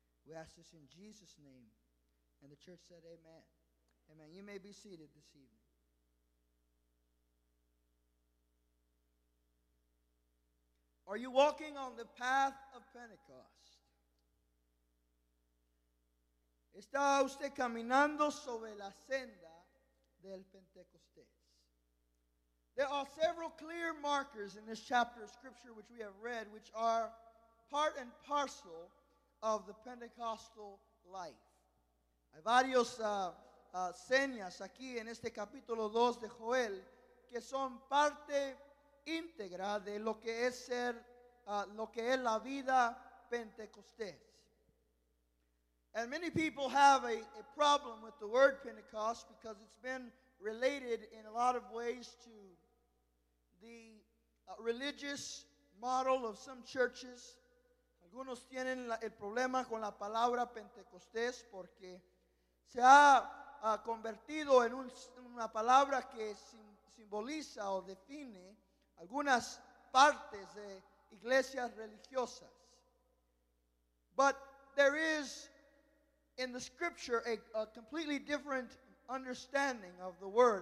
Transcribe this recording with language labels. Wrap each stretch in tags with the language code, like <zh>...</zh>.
<en>We ask this in Jesus' name. And the church said, amen. Amen. You may be seated this evening. Are you walking on the path of Pentecost?</en> <es>¿Está usted caminando sobre la senda del Pentecostés?</es> <en>There are several clear markers in this chapter of Scripture which we have read, which are part and parcel of the Pentecostal life.</en> <es>Hay varios señas aquí en este capítulo 2 de Joel que son parte íntegra de lo que es ser, lo que es la vida Pentecostés.</es> <en>And many people have a problem with the word Pentecost because it's been related in a lot of ways to the religious model of some churches.</en> <es>Algunos tienen el problema con la palabra Pentecostés porque se ha convertido en una palabra que simboliza o define algunas partes de iglesias religiosas.</es> <en>But there is in the scripture a completely different understanding of the word.</en>